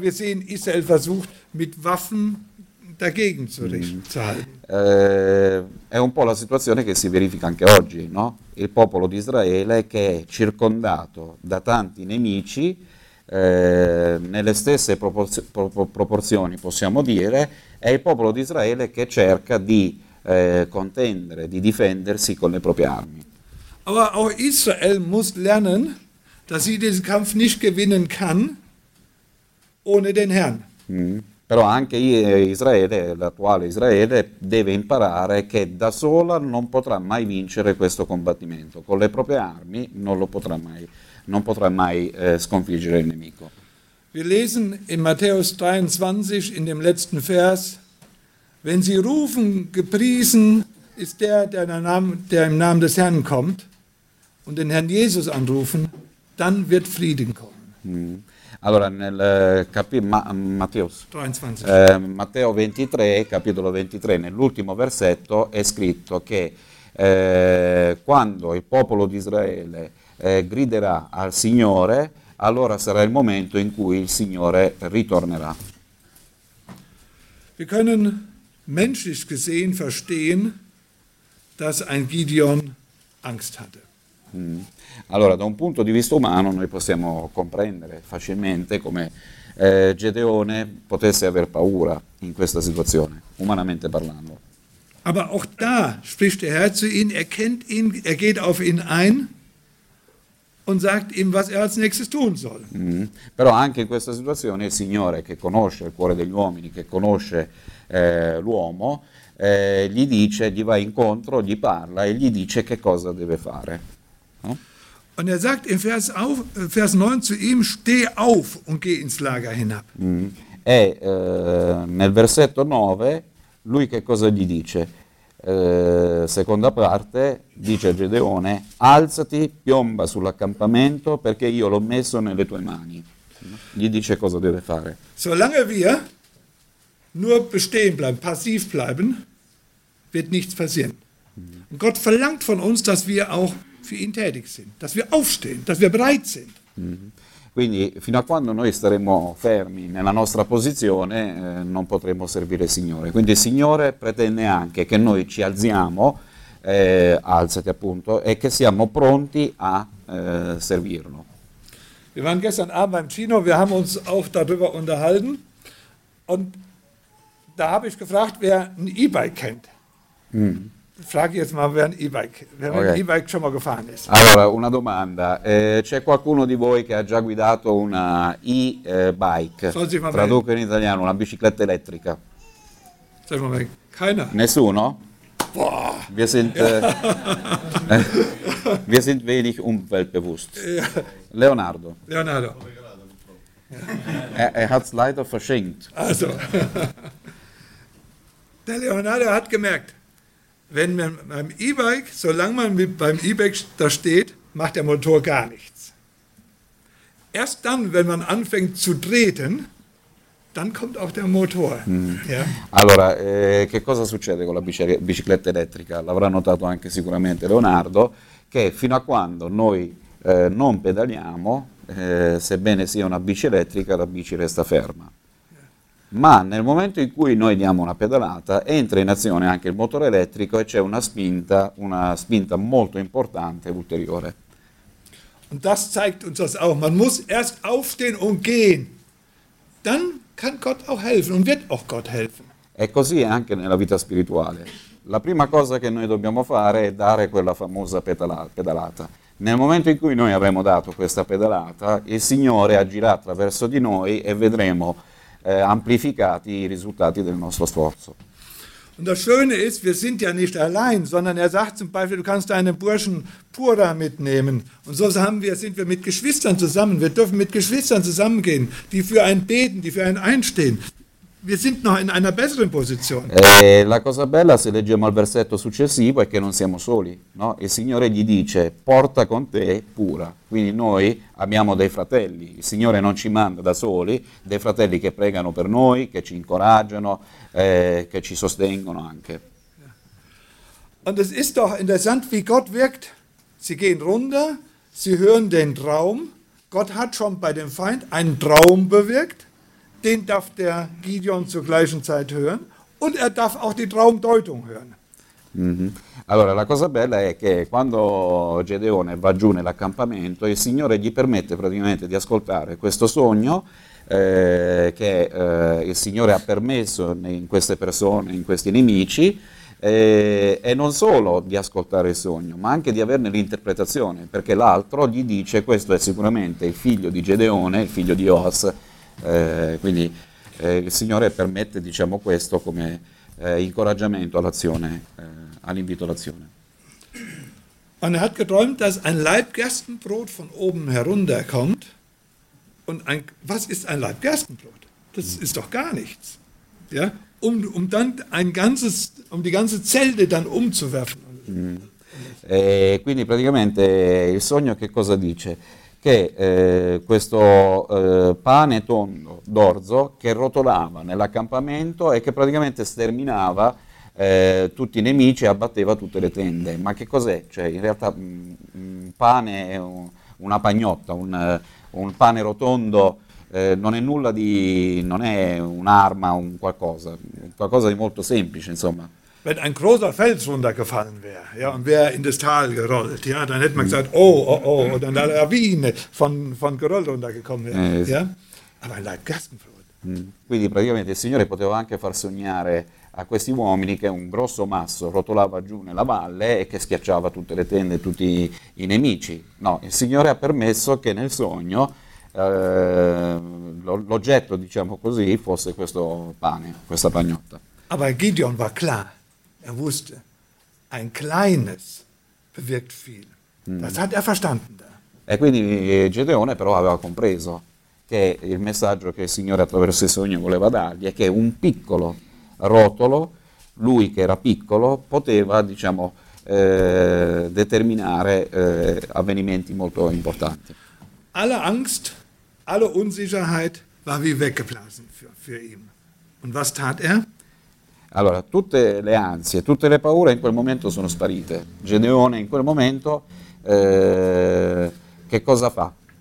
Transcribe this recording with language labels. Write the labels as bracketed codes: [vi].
[de] wir sehen, Israel versucht, mit Waffen dagegen zu halten. [it] È un po' la situazione che si verifica anche oggi, no? Il popolo di Israele che è circondato da tanti nemici, nelle stesse proporzioni possiamo dire, è il popolo di Israele che cerca di contendere, di difendersi con le proprie armi. [de] Aber auch Israel muss lernen, dass sie diesen Kampf nicht gewinnen kann ohne den Herrn. [it] Però anche Israele, l'attuale Israele, deve imparare che da sola non potrà mai vincere questo combattimento. Con le proprie armi non potrà mai sconfiggere il nemico. [de] Wir lesen in Matthäus 23, in dem letzten Vers, wenn sie rufen, gepriesen ist der, der im Namen des Herrn kommt, und den Herrn Jesus anrufen, dann wird Frieden kommen. [it] Allora, nel Matteo 23, capitolo 23, nell'ultimo versetto è scritto che quando il popolo di Israele griderà al Signore, allora sarà il momento in cui il Signore ritornerà. [de] Wir können menschlich gesehen verstehen, dass ein Gideon Angst hatte. [it] Allora, da un punto di vista umano, noi possiamo comprendere facilmente come Gedeone potesse aver paura in questa situazione, umanamente parlando. [de] Aber auch da spricht der Herr zu ihm, er kennt ihn, er geht auf ihn ein und sagt ihm, was als nächstes tun soll. [it] Però anche in questa situazione il Signore, che conosce il cuore degli uomini, che conosce l'uomo, gli dice, gli va incontro, gli parla e gli dice che cosa deve fare. [de] Und er sagt im Vers 9 zu ihm, steh auf und geh ins Lager hinab. [it] Nel versetto 9, lui che cosa gli dice? Seconda parte, dice a Gedeone, alzati, piomba sull'accampamento, perché io l'ho messo nelle tue mani. Gli dice cosa deve fare. [de] Solange wir nur bestehen bleiben, passiv bleiben, wird nichts passieren. Und Gott verlangt von uns, dass wir auch für ihn tätig sind, dass wir aufstehen, dass wir bereit sind. [it] Quindi fino a quando noi staremo fermi nella nostra posizione non potremo servire il Signore. Quindi il Signore pretende anche che noi ci alziamo, alzati appunto, e che siamo pronti a servirlo. [de] Wir waren gestern Abend beim Cino, wir haben uns auch darüber unterhalten und da habe ich gefragt, wer ein E-Bike kennt. Frage jetzt mal, wer ein E-Bike, wer okay. Ein E-Bike schon mal gefahren ist. [it] Allora, una domanda. C'è qualcuno di voi che ha già guidato una E-Bike? Traduco in italiano, una bicicletta elettrica. [de] Sag mal, keiner. [it] Nessuno? Boah. [de] Wir sind, wir sind wenig umweltbewusst. Leonardo. Leonardo. Er hat es leider verschenkt. Also. Der Leonardo hat gemerkt, wenn man beim E-Bike, solange man beim E-Bike da steht, macht der Motor gar nichts. Erst dann, wenn man anfängt zu treten, dann kommt auch der Motor. Ja? [it] Allora, che cosa succede con la bicicletta elettrica? L'avrà notato anche sicuramente Leonardo, che fino a quando noi non pedaliamo, sebbene sia una bici elettrica, la bici resta ferma. Ma nel momento in cui noi diamo una pedalata, entra in azione anche il motore elettrico e c'è una spinta molto importante ulteriore. [de] Und das zeigt uns das auch. Man muss erst aufstehen und gehen. Dann kann Gott auch helfen und wird auch Gott helfen. [it] E così è anche nella vita spirituale. La prima cosa che noi dobbiamo fare è dare quella famosa pedalata. Nel momento in cui noi avremo dato questa pedalata, il Signore agirà attraverso di noi e vedremo amplificati i risultati del nostro sforzo. [de] Und das Schöne ist, wir sind ja nicht allein, sondern sagt zum Beispiel, du kannst deinen Burschen Pura mitnehmen. Und so sind wir mit Geschwistern zusammen. Wir dürfen mit Geschwistern zusammengehen, die für einen beten, die für einen einstehen. Wir sind noch in einer besseren Position. [it] La cosa bella, se leggiamo il versetto successivo, è che non siamo soli. No? Il Signore gli dice, porta con te Pura. Quindi noi abbiamo dei fratelli. Il Signore non ci manda da soli, dei fratelli che pregano per noi, che ci incoraggiano, che ci sostengono anche. [de] Und es ist doch interessant, wie Gott wirkt. Sie gehen runter, sie hören den Traum. Gott hat schon bei dem Feind einen Traum bewirkt. Den darf der Gideon zur gleichen Zeit hören und er darf auch die Traumdeutung hören. Mm-hmm. [it] Allora, la cosa bella è che quando Gedeone va giù nell'accampamento, il Signore gli permette praticamente di ascoltare questo sogno che il Signore ha permesso in queste persone, in questi nemici, e non solo di ascoltare il sogno, ma anche di averne l'interpretazione, perché l'altro gli dice, questo è sicuramente il figlio di Gedeone, il figlio di Os, quindi il Signore permette, diciamo, questo come incoraggiamento all'azione, all'invito all'azione. [de] Und er hat geträumt, dass ein Laib Gerstenbrot von oben herunterkommt. Und ein, was ist ein Laib Gerstenbrot? Das ist doch gar nichts. Ja? Um dann ein ganzes, um die ganze Zelte dann umzuwerfen. Mm. [it] E quindi praticamente il sogno che cosa dice? Che questo pane tondo d'orzo che rotolava nell'accampamento e che praticamente sterminava tutti i nemici e abbatteva tutte le tende. Ma che cos'è? Cioè, in realtà pane è una pagnotta, un pane rotondo non è nulla di, non è un'arma, un qualcosa, qualcosa di molto semplice, insomma. [de] Wenn ein großer Fels runtergefallen wäre, ja, und wäre in das Tal gerollt, ja, dann hätte man gesagt, oh, und dann eine Lawine von Geröll runtergekommen wäre, ja. Aber ein Laib Gerstenbrot. [it] Quindi praticamente il Signore poteva anche far sognare a questi uomini che un grosso masso rotolava giù nella valle e che schiacciava tutte le tende, tutti i nemici. No, il Signore ha permesso che nel sogno l'oggetto, diciamo così, fosse questo pane, questa pagnotta. [de] Aber Gideon war klar, er wusste, ein kleines bewirkt viel. Das hat er verstanden da. [it] E quindi Gedeone però aveva compreso che il messaggio che il Signore attraverso il sogno voleva dargli è che un piccolo rotolo, lui che era piccolo, poteva, diciamo, determinare avvenimenti molto importanti. [de] Alle Angst, alle Unsicherheit war wie weggeblasen für ihn. Und was tat er? [it] Allora, tutte le ansie, tutte le paure in quel momento sono sparite. Gedeone in quel momento che cosa fa?